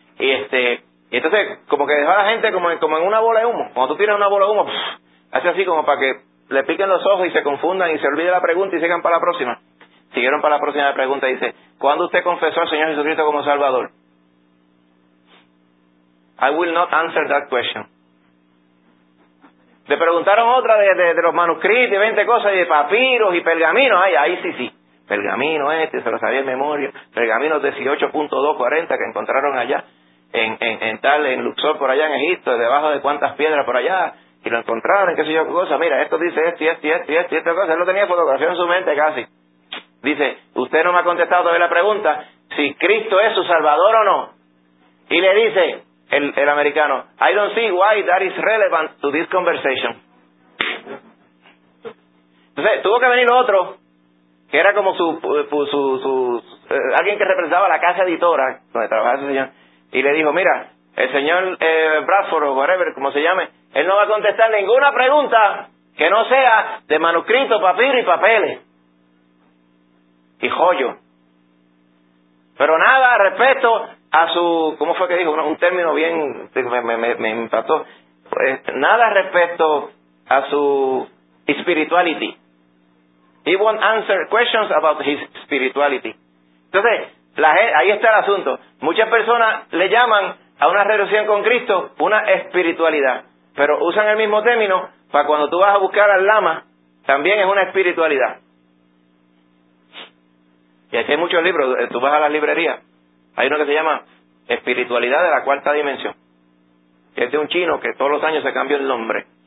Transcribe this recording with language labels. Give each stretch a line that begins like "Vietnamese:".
Spanish: Y entonces, como que dejó a la gente como en una bola de humo. Cuando tú tiras una bola de humo, hace así como para que le piquen los ojos y se confundan y se olvide la pregunta y sigan para la próxima. Siguieron para la próxima pregunta y dice, ¿cuándo usted confesó al Señor Jesucristo como Salvador?
English: I will not answer that question.
Spanish: Le preguntaron otra de los manuscritos y 20 cosas, y de papiros y pergaminos. Ahí sí, sí. Pergamino este, se lo sabía en memoria. Pergamino 18.240 que encontraron allá, en Luxor, por allá en Egipto, debajo de cuántas piedras por allá, y lo encontraron, qué sé yo, qué cosa. Mira, esto dice esta cosa. Él lo tenía fotografía en su mente casi. Dice, usted no me ha contestado todavía la pregunta si Cristo es su Salvador o no. Y le dice el americano,
English: I don't see why that is relevant to this conversation.
Spanish: Entonces, tuvo que venir otro, que era como alguien que representaba la casa editora donde trabajaba ese señor, y le dijo, mira, el señor Bradford, o whatever, como se llame, él no va a contestar ninguna pregunta que no sea de manuscrito, papiro y papeles. Y joyo. Pero nada respecto a su, ¿cómo fue que dijo? Un término bien, me impactó. Pues, nada respecto a su spirituality.
English: He won't answer questions about his spirituality.
Spanish: Entonces, ahí está el asunto. Muchas personas le llaman a una relación con Cristo una espiritualidad. Pero usan el mismo término para cuando tú vas a buscar al lama, también es una espiritualidad. Y aquí hay muchos libros, tú vas a la librería, hay uno que se llama Espiritualidad de la Cuarta Dimensión, que es de un chino que todos los años se cambia el nombre.